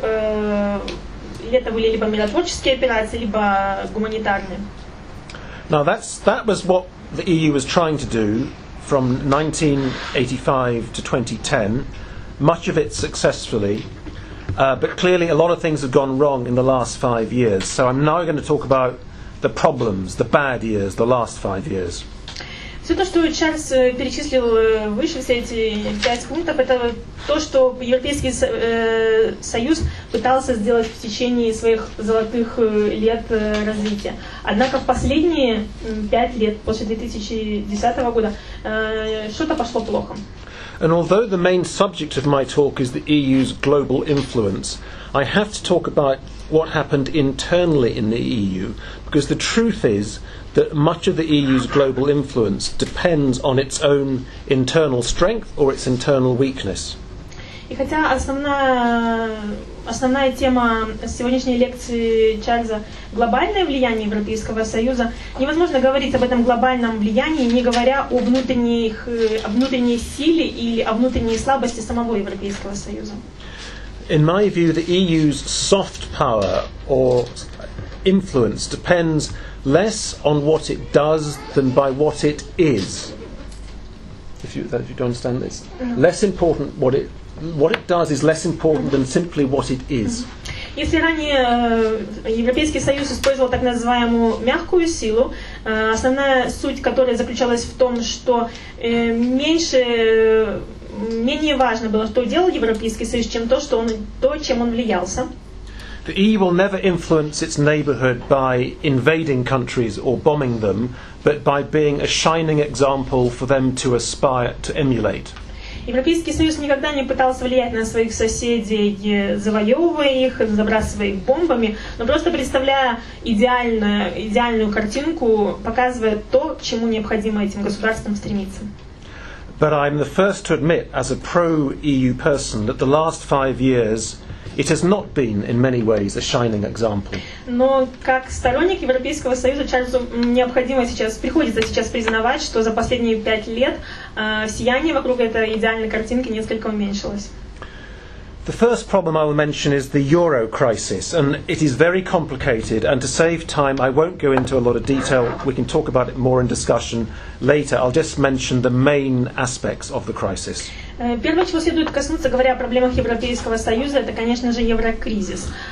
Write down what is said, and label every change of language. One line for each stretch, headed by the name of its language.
Russian: Это были либо миротворческие операции, либо гуманитарные.
English: Now that was what the EU was trying to do from 1985 to 2010, much of it successfully. But clearly a lot of things have gone wrong in the last 5 years. So I'm now going to talk about the problems, the bad years, the last 5 years.
Russian: Все то, что Чарльз перечислил выше, все эти 5 пунктов, это то, что Европейский Союз пытался сделать в течение своих золотых лет развития. Однако в последние 5 лет, после 2010 года, что-то пошло плохо.
English: And although the main subject of my talk is the EU's global influence, I have to talk about what happened internally in the EU, because the truth is that much of the EU's global influence depends on its own internal strength or its internal weakness.
Russian: И хотя основная тема сегодняшней лекции Чарльза – глобальное влияние Европейского Союза, невозможно говорить об этом глобальном влиянии, не говоря о внутренней силе или о внутренней слабости самого Европейского Союза.
English: In my view, the EU's soft power or influence depends less on what it does than by what it is. If you don't understand this, mm-hmm. less important what it does is less important mm-hmm. than simply what it is. Mm-hmm.
Russian: Если ранее Европейский Союз использовал так называемую мягкую силу, основная суть которой заключалась в том, что менее важно было, что делал Европейский Союз, чем то, чем он влиялся.
English: The EU will never influence its neighborhood by invading countries or bombing them, but by being a shining example for them to aspire to emulate.
Russian: Европейский Союз никогда не пытался влиять на своих соседей, завоевывая их, забрасывая их бомбами, но просто представляя идеальную картинку, показывая то, к чему необходимо этим государствам стремиться.
English: But I'm the first to admit, as a pro-EU person, that the last 5 years it has not been, in many ways, a shining example.
Russian: Но как сторонник Европейского Союза Чарльзу приходится сейчас признавать, что за последние 5 лет сияние вокруг этой идеальной картинки несколько уменьшилось.
English: The first problem I will mention is the euro crisis, and it is very complicated. And to save time, I won't go into a lot of detail. We can talk about it more in discussion later. I'll just mention the main aspects of the crisis.
Russian: Первое, чего следует коснуться, говоря о проблемах Европейского Союза, это, конечно же, еврокризис.